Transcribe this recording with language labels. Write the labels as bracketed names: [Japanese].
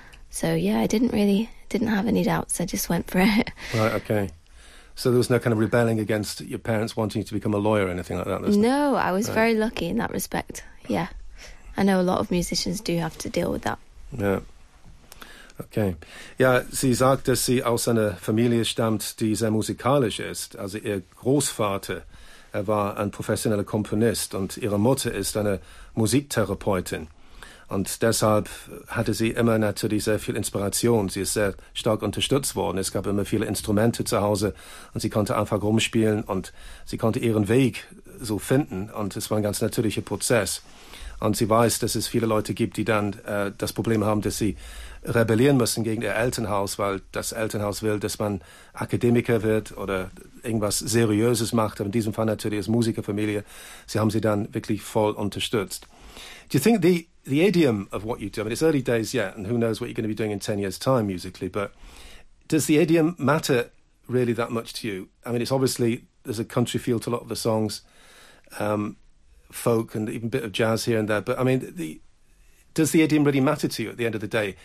[English] So, yeah, I didn't have any doubts. I just went for it. Right, OK. So there was no kind of rebelling against your parents wanting you to become a lawyer or anything like that? No, I was very lucky in that respect, yeah. I know a lot of musicians do have to deal with that. Yeah. OK. [German] Ja, sie sagt, dass sie aus einer Familie stammt, die sehr musikalisch ist. Also ihr Großvater, er war ein professioneller Komponist und ihre Mutter ist eine Musiktherapeutin. Und deshalb hatte sie immer natürlich sehr viel Inspiration. Sie ist sehr stark unterstützt worden. Es gab immer viele Instrumente zu Hause und sie konnte einfach rumspielen und sie konnte ihren Weg so finden. Und es war ein ganz natürlicher Prozess. Und sie weiß, dass es viele Leute gibt, die dann das Problem haben, dass sie rebellieren müssen gegen ihr Elternhaus, weil das Elternhaus will, dass man Akademiker wird oder irgendwas Seriöses macht. Aber in diesem Fall natürlich als Musikerfamilie. Sie haben sie dann wirklich voll unterstützt. [English] Do you think the idiom of what you do, I mean, it's early days yet, and who knows what you're going to be doing in 10 years' time musically, but does the idiom matter really that much to you? I mean, it's obviously, there's a country feel to a lot of the songs, folk and even a bit of jazz here and there, but I mean, does the idiom really matter to you at the end of the day?